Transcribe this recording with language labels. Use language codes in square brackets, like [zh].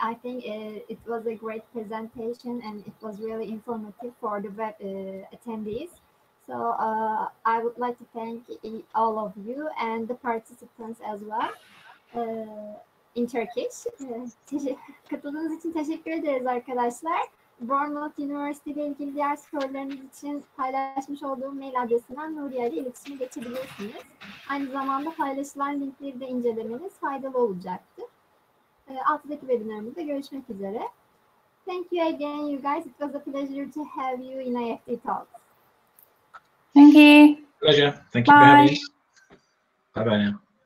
[en] I think it was a great presentation, and it was really informative for the web attendees. So I would like to thank all of you and the participants as well in Turkish. [tr] Katıldığınız için teşekkür ederiz arkadaşlar. Bournemouth University'de ilgili diğer skorlarınız için paylaşmış olduğum mail adresinden Nuriye ile iletişime geçebilirsiniz. Aynı zamanda paylaşılan linkleri de incelemeniz faydalı olacaktır. Altındaki webinarımızda görüşmek üzere. [en] Thank you again, you guys. It was a pleasure to have you in IEFT Talks. Thank you. Pleasure. Thank you for having me. Bye bye now.